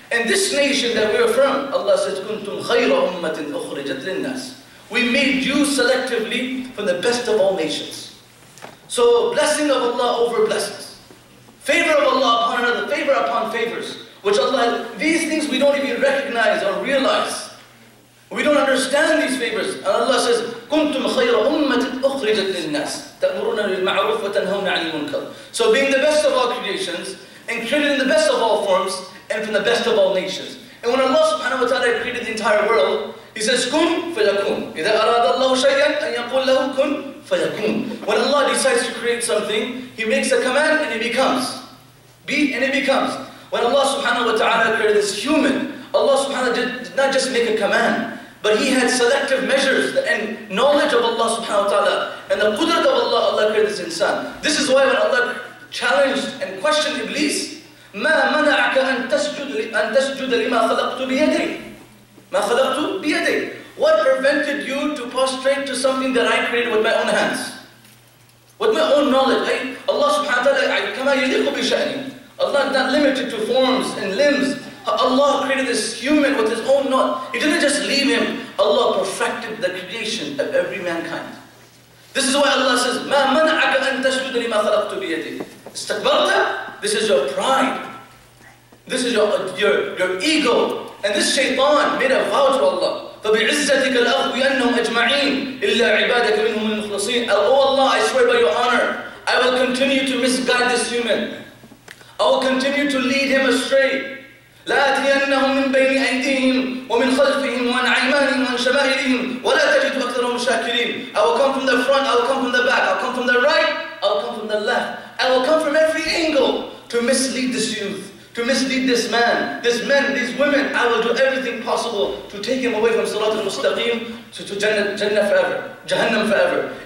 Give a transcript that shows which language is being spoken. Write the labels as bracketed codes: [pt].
[en] In this nation that we are from, Allah says, [ar] كُنْتُمْ خَيْرَ أُمَّةٍ أُخْرِجَتْ لِلنَّاسِ. [en] We made you selectively from the best of all nations. So blessing of Allah over blessings. Favor of Allah upon another, favor upon favors. Which Allah, these things we don't even recognize or realize. We don't understand these favors. And Allah says, [ar] كُنْتُمْ خَيْرَ أُمَّةٍ أُخْرِجَتْ لِلنَّاسِ تَأْمُرُونَ بِالْمَعْرُوفِ وَتَنْهَوْنَ عَنِ الْمُنْكَرِ. [en] So being the best of all creations, and created in the best of all forms, and from the best of all nations. And when Allah subhanahu wa ta'ala created the entire world, He says, [ar] كُنْ فَيَكُنْ. إِذَا أَرَادَ اللَّهُ شَيْئًا أَنْ يَقُولْ لَهُ كُنْ فَيَكُنْ. [en] When Allah decides to create something, He makes a command and it becomes. Be and it becomes. When Allah subhanahu wa ta'ala created this human, Allah subhanahu wa ta'ala did not just make a command, but He had selective measures and knowledge of Allah subhanahu wa ta'ala and the qudrat of Allah, Allah created this insan. This is why when Allah challenged and questioned Iblis, [ar] مَا مَنَعَكَ أَن تَسْجُدَ لِمَا خَلَقْتُ بِيَدَيْ. مَا خَلَقْتُ بِيَدَيْ. [en] What prevented you to prostrate to something that I created with my own hands? With my own knowledge. Allah subhanahu wa ta'ala, [ar] كَمَا يَلِقُ بِشَأْنِي. [en] Allah not limited to forms and limbs. Allah created this human with His own knowledge. He didn't just leave him. Allah perfected the creation of every mankind. This is why Allah says, [ar] مَا مَنَعَكَ أَن تَسْجُدَ لِمَا خَلَقْتُ بِيَدِي. اسْتَكْبَرْتَ. [en] This is your pride. This is your ego. And this shaitan made a vow to Allah. [ar] فَبِعِزَّتِكَ لَأَغْوِيَنَّهُمْ أَجْمَعِينَ إِلَّا عِبَادَكَ مِنْهُمُ الْمُخْلَصِينَ. [en] Oh Allah, I swear by your honor, I will continue to misguide this human. I will continue to lead him astray. [ar] لَأَتِيَنَّهُمْ مِنْ بَيْنِ أَيْدِيهِمْ ومن خلفهم ومن عيمانهم ومن شمائلهم ولا تجد أكثرهم شاكرين. [en] I will come from the front, I will come from the back, I will come from the right, I will come from the left, I will come from every angle to mislead this youth, to mislead this man, this men, these women. I will do everything possible to take him away from Salat al-Mustaqim to Jannah forever, Jahannam forever.